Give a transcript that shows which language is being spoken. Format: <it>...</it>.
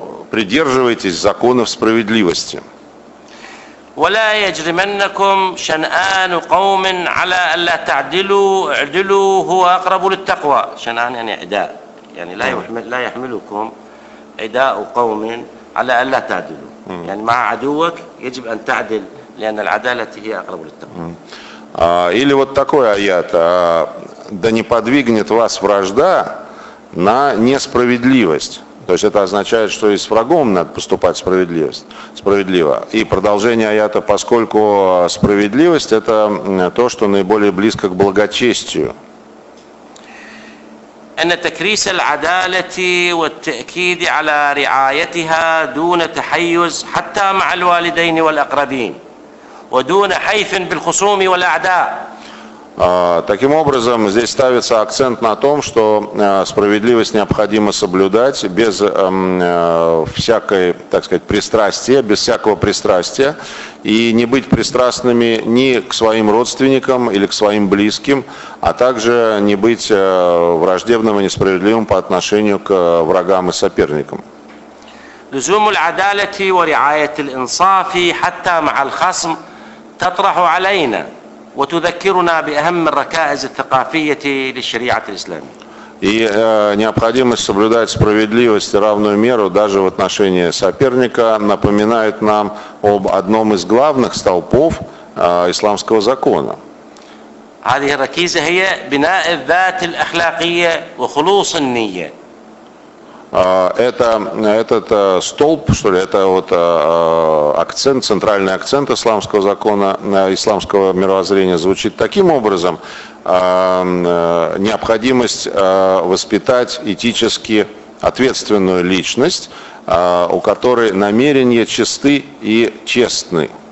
<ru>Придерживайтесь законов справедливости.</ru> <ar>ولا يجرمنكم شنآن قوم على ألا تعدلوا اعدلوا هو أقرب للتقوى. شنآن يعني عداء. يعني لا يحملكم عداء قوم على ألا تعدلوا. يعني مع عدوك يجب أن تعدل لأن العدالة هي أقرب للتقوى.</ar> <ru>Или вот такой аят: да не подвигнет вас вражда на несправедливость. То есть это означает, что и с врагом надо поступать справедливо. И продолжение аята: поскольку справедливость — это то, что наиболее близко к благочестию.</ru> <ar>أن تكريس العدالة والتأكيد على رعايتها دون تحيز حتى مع الوالدين والأقربين ودون حيف بالخصوم والأعداء.</ar> <ru>Таким образом, здесь ставится акцент на том, что справедливость необходимо соблюдать без всякой, так сказать, пристрастия, без всякого пристрастия, и не быть пристрастными ни к своим родственникам или к своим близким, а также не быть враждебным и несправедливым по отношению к врагам и соперникам.</ru> <ar>لزوم العدالة ورعاية الإنصاف حتى مع الخصم تطرح علينا وتذكرنا بأهم الركائز الثقافية للشريعة الإسلامية.</ar> <ru>И необходимость соблюдать справедливость и равную меру даже в отношении соперника напоминает нам об одном из главных столпов исламского закона.</ru> <ar>هذه الركيزة هي بناء الذات الأخلاقية وخلوص النية.</ar> <ru>Этот столб, что ли, это вот акцент, центральный акцент исламского закона, исламского мировоззрения звучит таким образом: необходимость воспитать этически ответственную личность, у которой намерения чисты и честны.</ru>